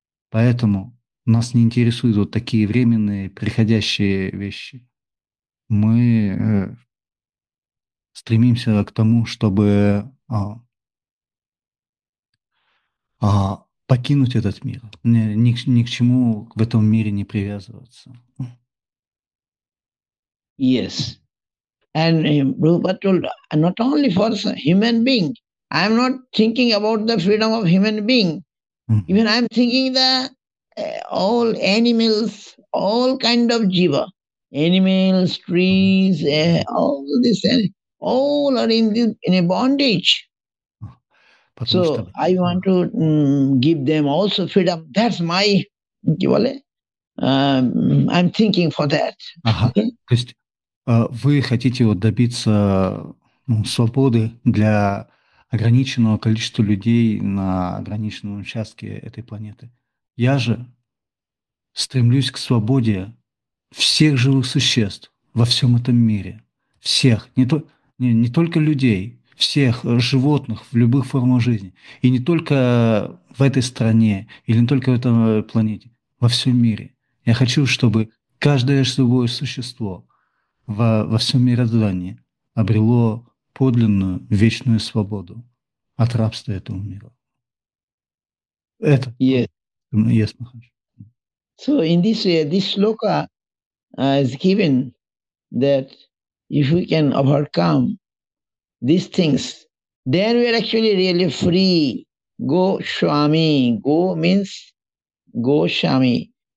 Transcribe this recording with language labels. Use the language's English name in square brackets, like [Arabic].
[Russian] Поэтому нас не интересуют вот такие временные, приходящие вещи. Мы стремимся к тому, чтобы покинуть этот мир, ни к чему в этом мире не привязываться. [English] Yes. And Rupa told, not only for human being, I'm not thinking about the freedom of human being. Mm-hmm. Even I'm thinking the all animals, all kind of jiva, animals, trees, all this, all are in a bondage. So I want to give them also freedom. That's my, I'm thinking for that. Uh-huh. [Russian] Вы хотите вот добиться свободы для ограниченного количества людей на ограниченном участке этой планеты. Я же стремлюсь к свободе всех живых существ во всем этом мире. Всех. Не только людей. Всех животных в любых формах жизни. И не только в этой стране или не только в этом планете. Во всем мире. Я хочу, чтобы каждое живое существо во всем мироздании обрело подлинную вечную свободу от рабства этого мира. Это. [English] Yes. Yes, Махарадж. So in this this shloka is given that if we can overcome these things, then we are actually really free. Go Swami. Go means go Swami.